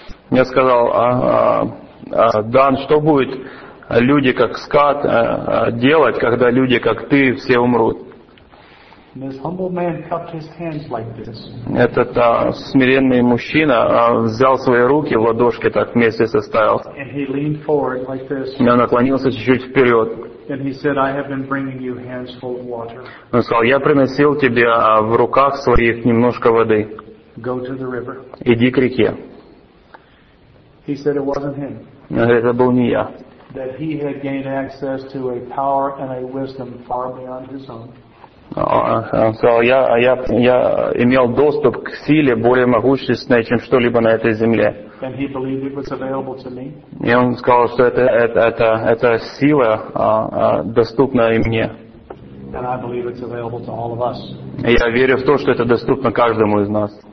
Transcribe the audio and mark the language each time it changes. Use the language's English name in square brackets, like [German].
[Russian] Я сказал: Дан, что будет люди как Скотт делать, когда люди как ты все умрут? [English] This humble man cupped his hands like this. [Russian] Этот смиренный мужчина взял свои руки в ладошки так вместе составил. [English] And he leaned forward like this. [Russian] И он наклонился чуть-чуть вперед. [English] And he said, "I have been bringing you hands full of water." [Russian] Он сказал: "Я приносил тебе в руках своих немножко воды." [English] Go to the river. [Russian] Иди к реке. [English] He said, "It wasn't him." [Russian] Он говорит: "Это был не я." [English] That he had gained access to a power and a wisdom far beyond his own. [Russian] Он сказал: я имел доступ к силе более могущественной, чем что-либо на этой земле. И он сказал, что эта сила доступна и мне. И я верю в то, что это доступно каждому из нас.